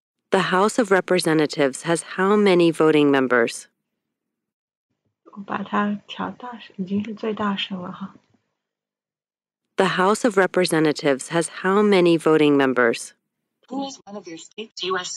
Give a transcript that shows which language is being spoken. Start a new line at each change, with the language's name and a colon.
English: The House of Representatives has how many voting members?
Chinese: 我把它调大声，已经是最大声了哈。
English: The House of Representatives has how many voting members? Who is one of your state's U.S.